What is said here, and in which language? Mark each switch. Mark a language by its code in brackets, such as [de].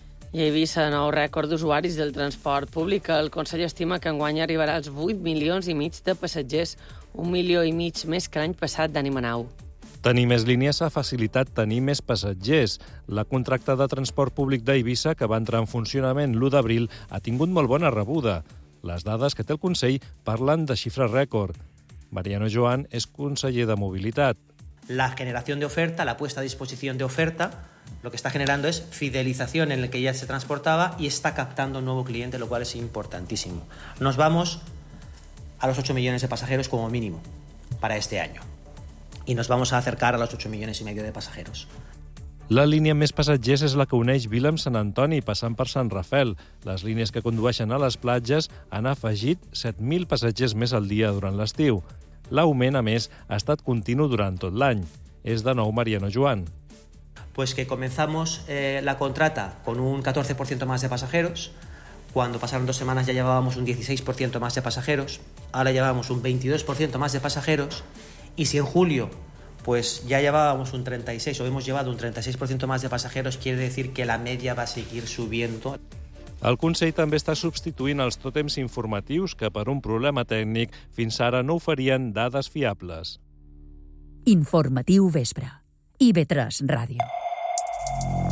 [ca] I a Eivissa, nou rècord d'usuaris del transport públic. El Consell estima que enguany arribarà als 8,5 milions de passatgers, 1,5 milions més que l'any passat d'Ànima Nau. Tenir més línies ha facilitat tenir més passatgers. La contracta de transport públic d'Eivissa, que va entrar en funcionament l'1 d'abril, ha tingut molt bona rebuda. Les dades que té el Consell parlen de xifres rècord. Mariano Joan és conseller de Mobilitat. [es] La generació d'oferta, la puesta a disposició d'oferta, lo que está generando es fidelización en el que ya se transportaba y está captando un nuevo cliente, lo cual es importantísimo. Nos vamos a los 8 millones de pasajeros como mínimo para este año y nos vamos a acercar a los 8,5 millones de pasajeros. [ca] La línia amb més passatgers és la que uneix Vila amb Sant Antoni, passant per Sant Rafel. Les línies que condueixen a les platges han afegit 7,000 passatgers més al dia durant l'estiu. L'augment, a més, ha estat continu durant tot l'any. És de nou Mariano Joan. [es] Pues que comenzamos la contrata con un 14% más de pasajeros. Cuando pasaron 2 semanas ya llevábamos un 16% más de pasajeros. Ahora llevábamos un 22% más de pasajeros. Y si en julio pues ya llevábamos un 36% o hemos llevado un 36% más de pasajeros, quiere decir que la media va a seguir subiendo. [ca] El Consell també està substituint els tòtems informatius que, per un problema tècnic, fins ara no oferien dades fiables. Informatiu Vespre. IB3 Ràdio.